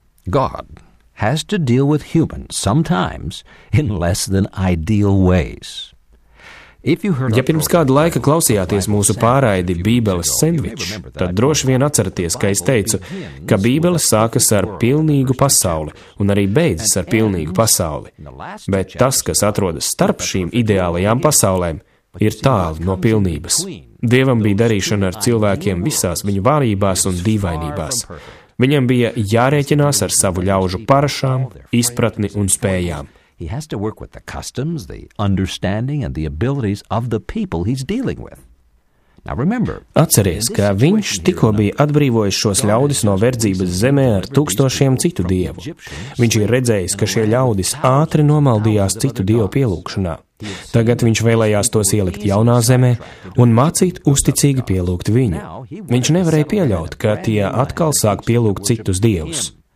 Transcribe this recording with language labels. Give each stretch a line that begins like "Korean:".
English: God has to deal with humans sometimes in less than ideal ways.
Latvian: Ja pirms kāda laika klausījāties mūsu pārraidi Bībeles sendviču, tad droši vien atceraties, ka es teicu, ka Bībele sākas ar pilnīgu pasauli un arī beidzas ar pilnīgu pasauli. Bet tas, kas atrodas starp šīm ideālajām pasaulēm, ir tālu no pilnības. Dievam bija darīšana ar cilvēkiem visās viņu vārībās un dīvainībās. Viņam bija jārēķinās ar savu ļaužu parašām, izpratni un spējām.
English: He has to work with the customs, the understanding and the abilities of the people he's dealing with. Now remember,
Latvian: atceries, ka viņš tikko bija atbrīvojis šos ļaudis no verdzības zemē ar tūkstošiem citu dievu. Viņš ir redzējis, ka šie ļaudis ātri nomaldījās citu dievu pielūkšanā. Tagad viņš vēlējās tos ielikt jaunā zemē un mācīt uzticīgi pielūkt viņu. Viņš nevarēja pieļaut, ka tie atkal sāk pielūkt citus dievus.